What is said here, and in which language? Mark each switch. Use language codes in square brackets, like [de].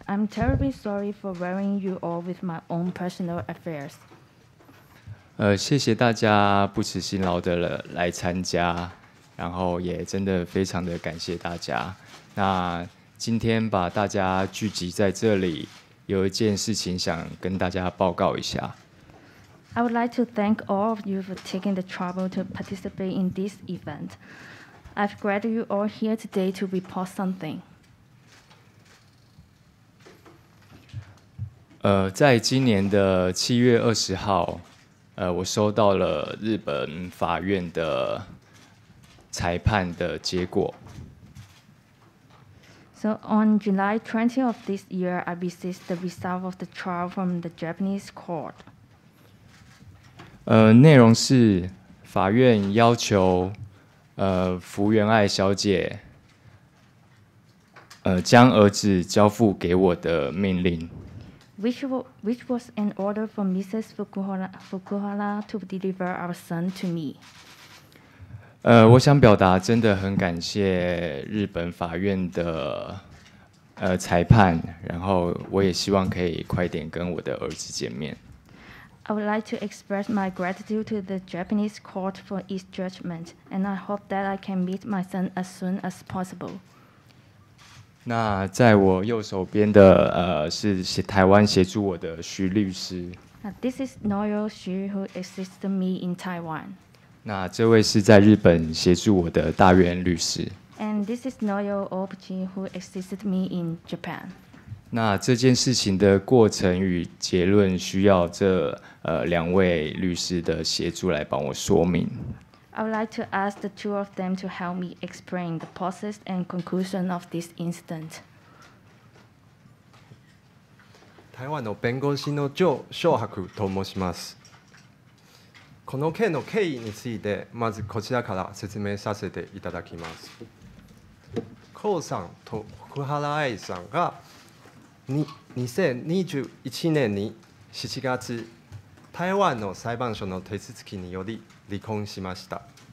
[en] I'm terribly sorry for worrying you all with my own personal affairs. [zh] 谢谢大家不辞辛劳的来参加，然后也真的非常的感谢大家。那今天把大家聚集在这里，有一件事情想跟大家报告一下。 [en] I would like to thank all of you for taking the trouble to participate in this event. I've glad you all here today to report something. [zh] 在今年的7月20号。我收到了日本法院的裁判的结果。 [en] So on July 20 of this year, I received the result of the trial from the Japanese court. [zh] 内容是法院要求福原爱小姐将儿子交付给我的命令。 [en] Which was an order for Mrs. Fukuhara to deliver our son to me. [zh] 我想表达真的很感谢日本法院的裁判，然后我也希望可以快点跟我的儿子见面。 [en] I would like to express my gratitude to the Japanese court for its judgment, and I hope that I can meet my son as soon as possible. [zh] 那在我右手边的是台湾协助我的徐律师。 [en] This is lawyer Xu who assisted me in Taiwan. [zh] 那这位是在日本协助我的大原律师。 [en] And this is lawyer Obuchi who assisted me in Japan. [zh] 那这件事情的过程与结论需要这两位律师的协助来帮我说明。 [en] I would like to ask the two of them to help me explain the process and conclusion of this incident. [ja] 台湾の弁護士のジョー・ショウハクと申します。この件の経緯についてまずこちらから説明させていただきます。コウさんと福原愛さんが2021年に7月台湾の裁判所の手続きにより離婚しました。